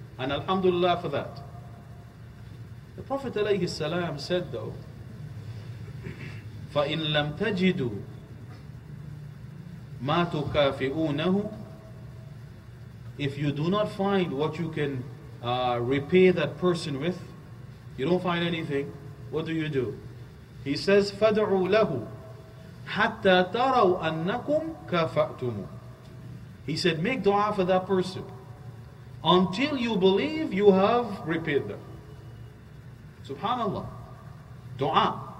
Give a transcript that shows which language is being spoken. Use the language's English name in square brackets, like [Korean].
[English] And alhamdulillah for that. The Prophet alayhi salam said though, [Arabic] فَإِن لَمْ تَجِدُوا مَا تُكَافِئُونَهُ, [English] if you do not find what you can repay that person with, you don't find anything, what do you do? He says, [Arabic] فَدْعُوا لَهُ حَتَّى تَرَوْا أَنَّكُمْ كَافَأْتُمُ. [English] He said, make dua for that person until you believe you have repaid them. SubhanAllah. Dua.